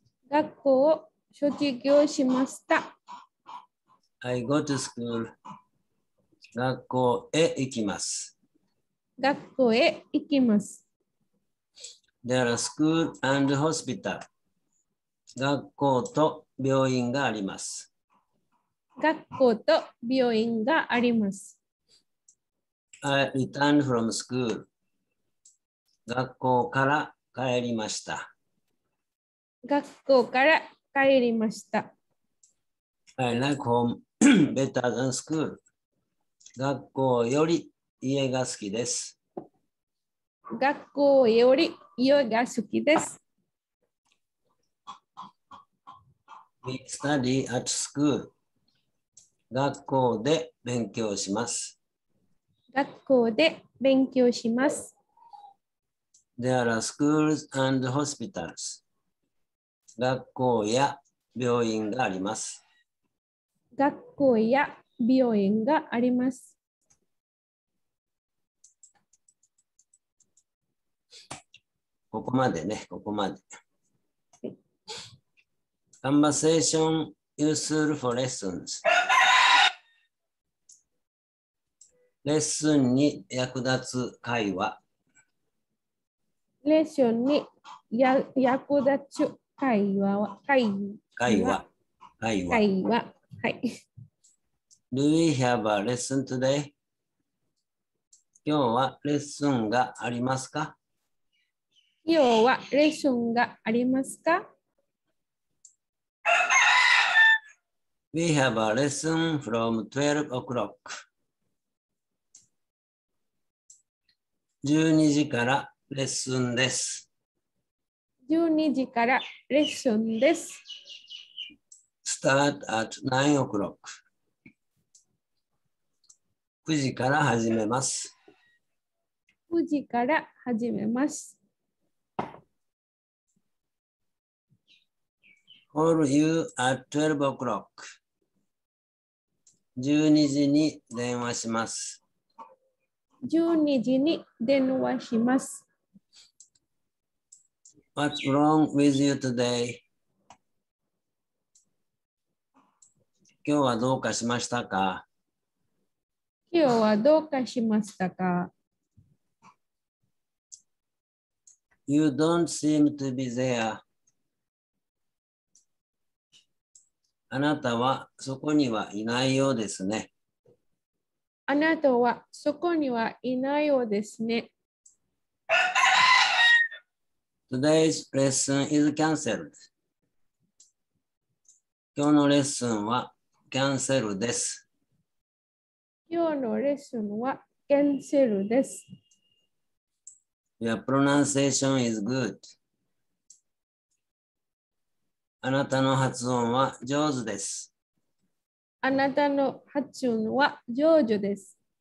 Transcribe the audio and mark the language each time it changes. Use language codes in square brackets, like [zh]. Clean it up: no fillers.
[ja] 学校を卒業しました。 [en] I go to school. [ja] 学校へ行きます。学校へ行きます。 [en] There are school and hospital. [ja] 学校と病院があります。学校と病院があります。 [en] I returned from school. [ja] 学校から帰りました。学校から帰りました。 [en] I like home better than school. [ja] 学校より家が好きです。学校より家が好きです。 [en] We study at school. [ja] 学校で勉強します。学校で勉強します。 [en] There are schools and hospitals. [ja] 学校や病院があります。学校や病院があります。ここまでね、ここまで。 [en] Conversation useful for lessons. [ja] レッスンに役立つ会話。レッスンに役立つ会話は、会話。はい。 [en] Do we have a lesson today? [ja] 今日はレッスンがありますか？今日はレッスンがありますか？ [en] We have a lesson from 12 o'clock. [ja] 12時からレッスンです。 12時からレッスンです。 [en] Start at 9 o'clock. [ja] 9時から始めます。 9時から始めます。 [en] Call you at 12 o'clock. [ja] 12時に電話します。 12時に電話します。 [en] What's wrong with you today? [ja] 今日はどうかしましたか？今日はどうかしましたか？ [en] You don't seem to be there. [ja] あなたはそこにはいないようですね。あなたはそこにはいないようですね。 [en] Today's lesson is cancelled. [ja] 今日のレッスンはキャンセルです。今日のレッスンはキャンセルです。 [en] Your pronunciation is good. [ja] あなたの発音は上手です。あなたの発音は上手です。